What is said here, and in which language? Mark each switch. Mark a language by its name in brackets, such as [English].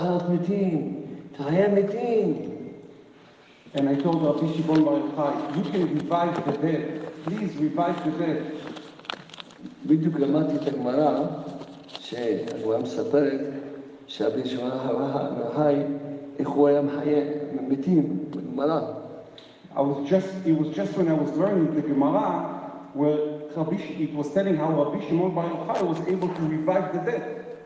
[English] And I cried. And I told Rabbi Shimon Bar Yochai, you can revive the dead. Please revive the dead. [Hebrew] בדיוק למדתי את הגמרא שהגמרא מספרת שהבן שמעון בר יוחאי איך הוא היה מחיה מתים בגמרא. [English] I was just it was just when I was learning the Gemara where it was telling how Rabbi Shimon Bar Yochai was able to revive the dead.